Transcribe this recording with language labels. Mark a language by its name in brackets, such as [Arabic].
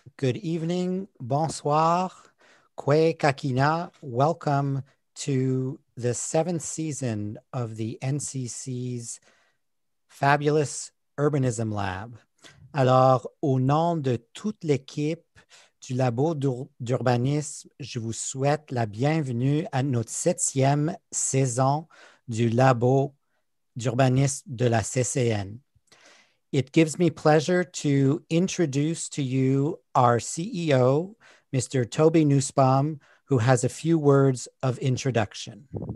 [English] Good evening, bonsoir, kwe kakina, welcome to the seventh season of the NCC's fabulous Urbanism Lab. [French] Alors, au nom de toute l'équipe du Labo d'urbanisme, je vous souhaite la bienvenue à notre septième saison du Labo d'urbanisme de la CCN. [English] It gives me pleasure to introduce to you our CEO, Mr. Toby Nussbaum, who has a few words of introduction.